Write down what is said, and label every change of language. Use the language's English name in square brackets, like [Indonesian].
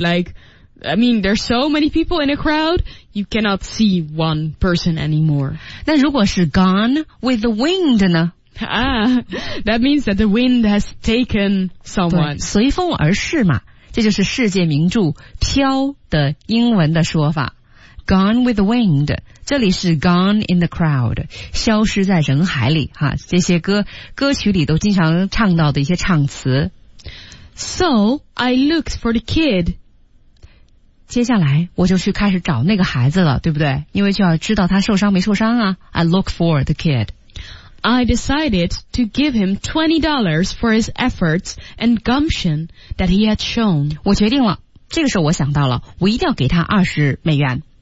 [English] Like, I mean, there's so many people in a crowd, you cannot see one person anymore. [Chinese] 那如果是 [English] gone with the wind [Chinese] 呢？ [English] Ah, that means that the wind has taken someone. [Chinese] 随风而逝嘛，这就是世界名著飘的英文的说法。 [English] Gone with the wind. [Chinese] 这里是 [English] gone in the crowd. [Chinese] 消失在人海里哈，这些歌曲里都经常唱到的一些唱词。 [English] So, I looked for the kid. [Chinese] 接下来我就去开始找那个孩子了，对不对？因为就要知道他受伤没受伤啊。 [English] I look for the kid. I decided to give him $20 for his efforts and gumption that he had shown. [Chinese] 我决定了，这个时候我想到了，我一定要给他$20。